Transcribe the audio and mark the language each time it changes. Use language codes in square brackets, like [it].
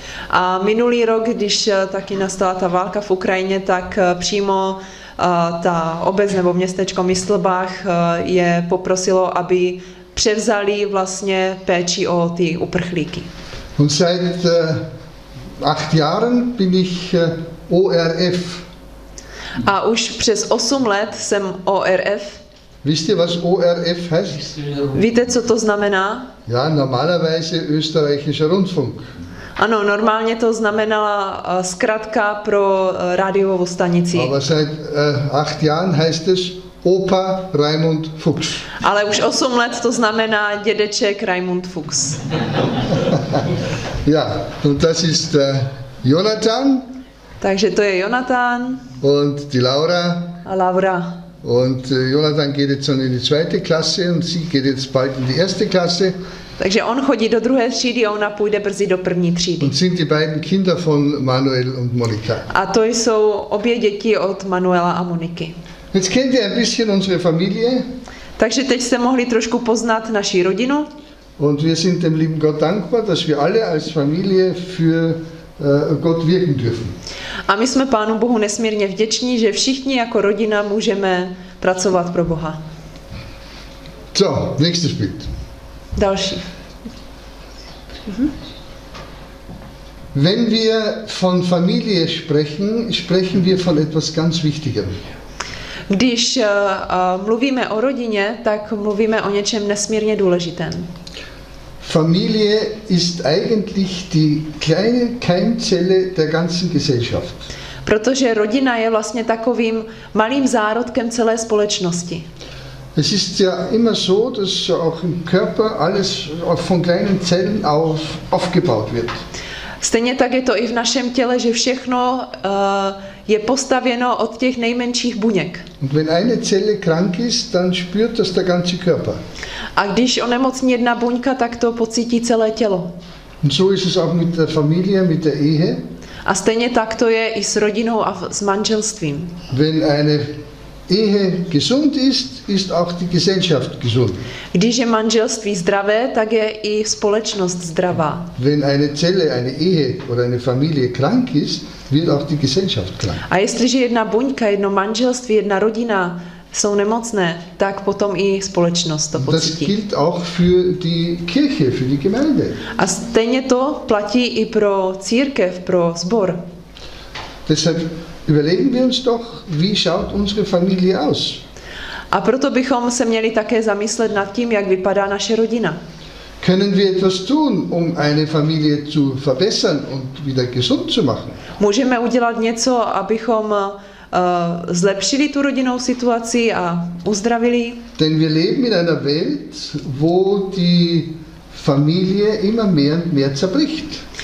[cs] A minulý rok, když taky nastala ta válka v Ukrajině, tak přímo ta obec nebo městečko Mistelbach je poprosilo, aby převzali vlastně péči o ty uprchlíky. [de] Und seit 8 Jahren bin ich ORF. [cs] A už přes 8 let jsem ORF. [de] Wisst ihr, was ORF heißt? [cs] Víte, co to znamená? [de] Ja, normalerweise österreichischer Rundfunk. [cs] Ano, normálně to znamenala zkratka pro rádiovou stanici. [de] Aber seit 8 Jahren heißt es Opa Raimund Fuchs. [cs] Ale už 8 let to znamená dědeček Raimund Fuchs. [de] Ja, und das ist Jonathan. [cs] Takže to je Jonathan. [de] Und die Laura. [cs] A Laura. [de] Und Jonathan geht jetzt schon in die zweite Klasse und sie geht jetzt bald in die erste Klasse. [cs] Takže on chodí do druhé třídy a ona půjde brzy do první třídy. [de] Und sind die beiden Kinder von Manuel und Monika. [cs] A to jsou obě děti od Manuela a Moniky. [de] Jetzt kennt ihr ein bisschen unsere Familie. [cs] Takže teď jste mohli trošku poznat naši rodinu. [de] Und wir sind dem lieben Gott dankbar, dass wir alle als Familie für Gott wirken dürfen. [cs] A my jsme Pánu Bohu nesmírně vděční, že všichni jako rodina můžeme pracovat pro Boha. [de] So, nächstes Bild. [cs] Další. [de] Wenn wir von Familie sprechen, sprechen wir von etwas ganz Wichtigem. [cs] Když mluvíme o rodině, tak mluvíme o něčem nesmírně důležitém. [de] Familie ist eigentlich die kleine Keimzelle der ganzen Gesellschaft. [cs] Protože rodina je vlastně takovým malým zárodkem celé společnosti. [de] Es ist ja immer so, dass auch im Körper alles von kleinen Zellen aufgebaut wird. [cs] Stejně tak je to i v našem těle, že všechno je postavěno od těch nejmenších buněk. [de] Und wenn eine Zelle krank ist, dann spürt das der ganze Körper. [cs] A když onemocní jedna buňka, tak to pocítí celé tělo. [de] Und so ist es auch mit der Familie, mit der Ehe. [cs] A stejně tak to je i s rodinou a s manželstvím. [de] Wenn eine Ehe gesund ist, ist auch die Gesellschaft gesund. [cs] Když je manželství zdravé, tak je i společnost zdravá. [de] Wenn eine Zelle, eine Ehe oder eine Familie krank ist, wird auch die Gesellschaft krank. [cs] A jestliže jedna buňka, jedno manželství, jedna rodina jsou nemocné, tak potom i společnost to pocítí. [de] Das gilt auch für die Kirche, für die Gemeinde. [cs] A stejně to platí i pro církev, pro sbor. [de] Deshalb überlegen wir uns doch, wie schaut unsere Familie aus. [cs] A proto bychom se měli také zamyslet nad tím, jak vypadá naše rodina. [de] Können wir etwas tun, um eine Familie zu verbessern und wieder gesund zu machen? [cs] Můžeme udělat něco, abychom zlepšili tu rodinnou situaci a uzdravili? [de] Denn wir leben in einer Welt, wo die Familie immer mehr und mehr zerbricht.